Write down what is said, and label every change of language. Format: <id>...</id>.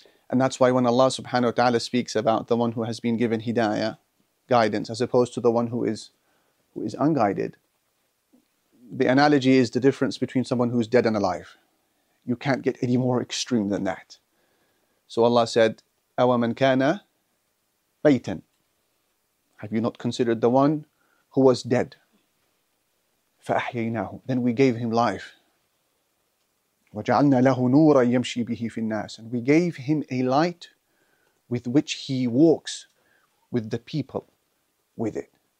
<en>And that's why when Allah subhanahu wa ta'ala speaks about the one who has been given hidayah, guidance, as opposed to the one who is unguided, the analogy is the difference between someone who's dead and alive. You can't get any more extreme than that. So Allah said,</en> <ar>أَوَ مَنْ كَانَ مَيْتًا.</ar> <en>Have you not considered the one who was dead?</en> <ar>فَأَحْيَيْنَاهُ.</ar> <en>Then we gave him life.</en> <ar>وَجَعَلْنَا لَهُ نُورًا يَمْشِي بِهِ فِي النَّاسِ.</ar> <en>And we gave him a light with which he walks with the people with it.</en>